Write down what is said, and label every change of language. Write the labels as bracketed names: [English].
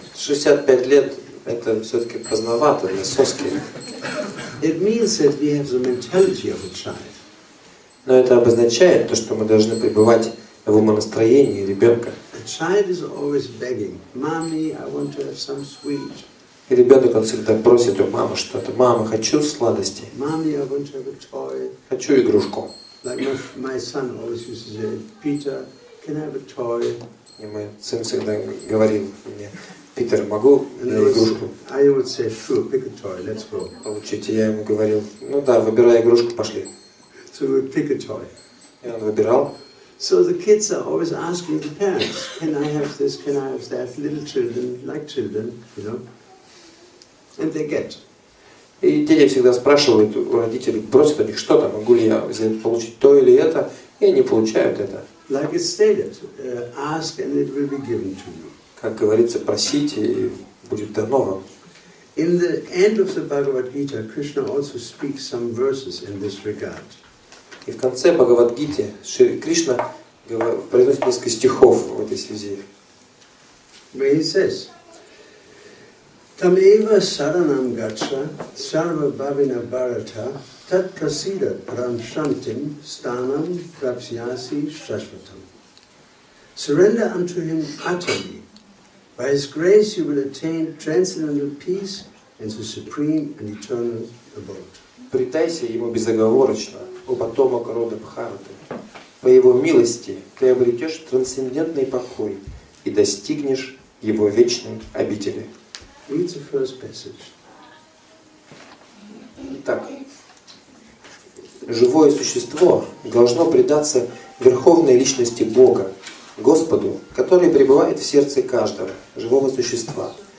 [Russian] 65 лет это все-таки поздновато для соски. [English] It means that we have the mentality of a child. [Russian] Но это обозначает то, что мы должны пребывать в умонастроении ребенка. [English] A child is always begging, "Mommy, I want to have some sweet." [Russian] И ребенок он всегда просит у мамы что-то. Мама, хочу сладости. [English] "Mommy, I want to have a toy." [Russian] Хочу игрушку. [English] Like my son always used to say, "Peter, can I have a toy?" [Russian] И мой сын всегда говорил мне. Питер, могу игрушку? [English] I would say, sure, pick a toy, let's go. [Russian] Получить, я ему говорил, ну да, выбирай игрушку, пошли. [English] So we pick a toy. [Russian] И он выбирал. [English] So the kids are always asking the parents, can I have this, can I have that, little children, like children, you know? And they get. [Russian] И дети всегда спрашивают у родителей, просят у них что-то, могу ли я взять, получить то или это, и они получают это. [English] Like it's stated, ask and it will be given to you. [Russian] Как говорится, просите, и будет дано вам. [English] In the end of the Bhagavad Gita, Krishna also speaks some verses in this regard. [Russian] И в конце Бхагавад Гиты Кришна произносит несколько стихов в этой связи. [English] Where he says, [Sanskrit] Tameva saranam gacha sarva bhavina bharata tat kasida param shantim stanam prapsyasi shashvatam. [English] Surrender unto him utterly. By His grace, you will attain transcendental peace and the supreme and eternal abode. [Russian] Предайся ему безоговорочно, о потомок рода Бхараты. По Его милости ты обретешь трансцендентный покой и достигнешь Его вечной обители. [English] Read the first passage. [Russian] Итак, живое существо должно предаться верховной личности Бога, Господу, который пребывает в сердце каждого живого существа.